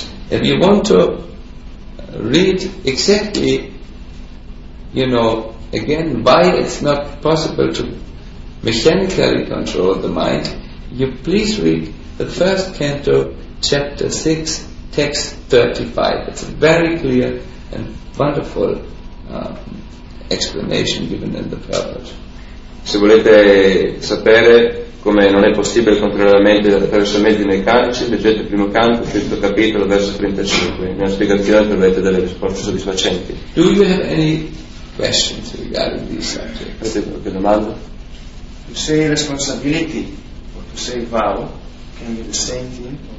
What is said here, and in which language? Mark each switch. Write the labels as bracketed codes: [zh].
[en] If you want to read exactly, you know, again, why it's not possible to mechanically control the mind, you please read the first canto, chapter 6, text 35. It's a very clear and wonderful explanation given in the purport. [it] Se volete sapere come non è possibile controllare la mente attraverso i medi nei calci, leggete il primo canto, questo capitolo, verso 35. Nella spiegazione troverete delle risposte soddisfacenti. [en] Do you have any questions regarding this subject? [it] Avete qualche domanda? [en] You say responsibility. To say vow, can be the same thing.